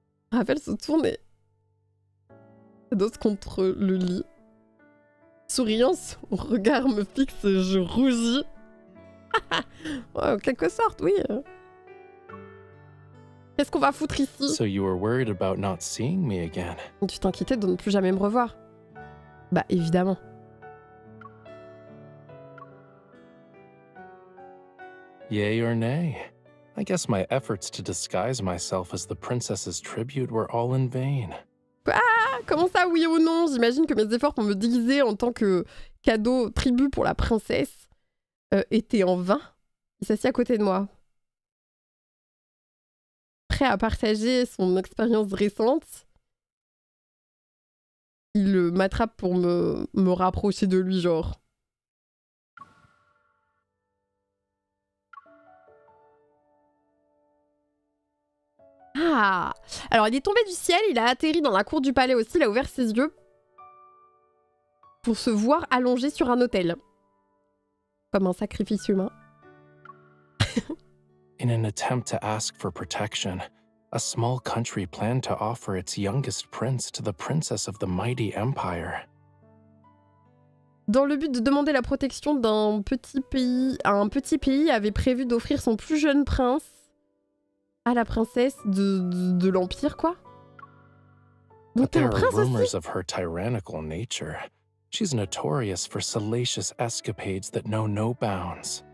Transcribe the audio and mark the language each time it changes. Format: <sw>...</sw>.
<fr>Raphaël se tourne et s'adosse contre le lit. Souriant, son regard me fixe et je rougis. Ouais, en quelque sorte, oui. Qu'est-ce qu'on va foutre ici?</fr> <en>So you were worried about not seeing me again.</en> <fr>Tu t'inquiétais de ne plus jamais me revoir? Bah, évidemment.</fr> <en>Yay or nay? I guess my efforts to disguise myself as the princess's tribute were all in vain.</en> <fr>Ah, comment ça, oui ou non? J'imagine que mes efforts pour me déguiser en tant que cadeau, tribut pour la princesse, étaient en vain. Il s'assit à côté de moi. Prêt à partager son expérience récente, il m'attrape pour me rapprocher de lui, genre... Ah. Alors, il est tombé du ciel, il a atterri dans la cour du palais aussi, il a ouvert ses yeux pour se voir allongé sur un autel. Comme un sacrifice humain.</fr> <en>In an attempt to ask for protection, A small country planned to offer its youngest prince to the princess of the mighty empire.</en> <fr>Dans le but de demander la protection d'un petit pays, un petit pays avait prévu d'offrir son plus jeune prince à la princesse de l'empire, quoi.</fr> <en>But there are rumors of her tyrannical nature. She's notorious for salacious escapades that know no bounds.</en>